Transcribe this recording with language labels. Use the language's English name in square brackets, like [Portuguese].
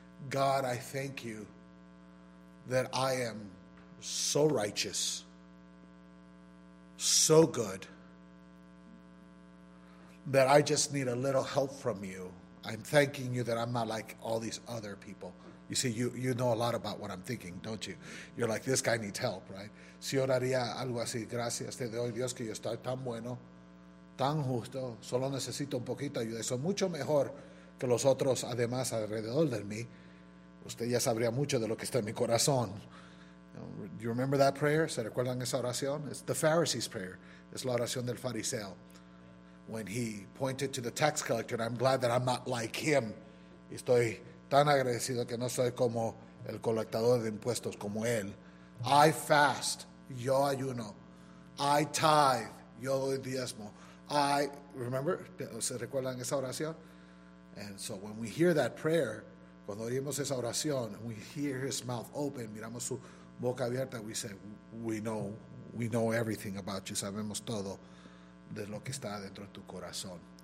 [English] God, I thank you that I am so righteous, so good, that I just need a little help from you. I'm thanking you that I'm not like all these other people. You see, you know a lot about what I'm thinking, don't you? You're like, this guy needs help, right? [Spanish] Si oraría algo así, gracias te doy Dios que yo estoy tan bueno, tan justo, solo necesito un poquito ayuda. Soy mucho mejor que los otros además alrededor de mí. Usted ya sabría mucho de lo que está en mi corazón. [English] You remember that prayer? [Spanish] ¿Se recuerdan esa oración? [English] It's the Pharisee's prayer. [Spanish] Es la oración del fariseo. [English] When he pointed to the tax collector, and I'm glad that I'm not like him. [Spanish] Estoy tan agradecido que no soy como el colectador de impuestos, como él. [English] I fast. [Spanish] Yo ayuno. [English] I tithe. [Spanish] Yo doy diezmo. [English] I remember, [Spanish] ¿se recuerdan esa oración? [English] And so when we hear that prayer, [Spanish] cuando oímos esa oración, [English] we hear his mouth open, [Spanish] miramos su boca abierta, [English] we say, we know everything about you, [Spanish] sabemos todo de lo que está dentro de tu corazón.